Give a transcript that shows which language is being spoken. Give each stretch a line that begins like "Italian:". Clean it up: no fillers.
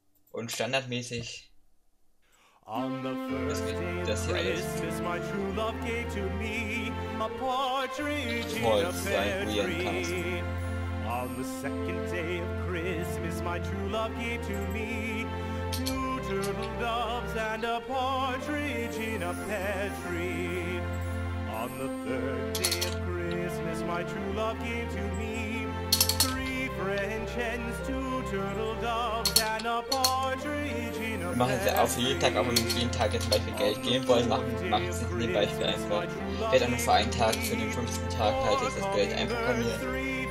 German: Und standardmäßig das hier alles voll sein.
English: On the second day of Christmas my true love gave to me two turtle doves and a partridge in a pear tree. On the third day of Christmas my true love gave to me French hens, two turtle doves and a partridge in a pear.
German: Wir machen es ja auch für jeden Tag, aber wenn wir jeden Tag jetzt zum Beispiel Geld geben wollen, machen sie es nicht, weil ich einfach. Vielleicht auch nur für einen Tag, für den 15. Tag halte ich das Geld einfach bei mir.